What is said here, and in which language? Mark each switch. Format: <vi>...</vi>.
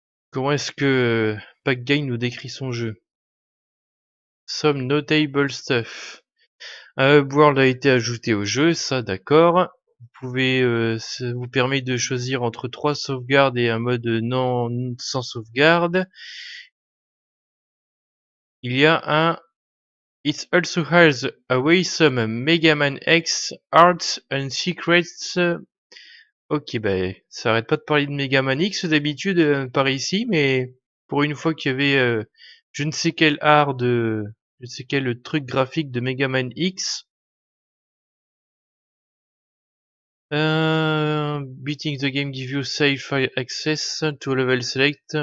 <fr>Comment est-ce que Pac-Guy nous décrit son jeu?</fr> <en>Some notable stuff.</en> <fr>Un hub world a été ajouté au jeu, ça d'accord. Vous pouvez, ça vous permet de choisir entre 3 sauvegardes et un mode non sans sauvegarde. Il y a un...</fr> <en>It also has a way some Mega Man X arts and secrets...</en> <fr>Ok, bah, ça arrête pas de parler de Mega Man X d'habitude par ici, mais pour une fois qu'il y avait je ne sais quel art de... Je ne sais quel truc graphique de Mega Man X.</fr> <en>Beating the game give you save file access to level select.</en>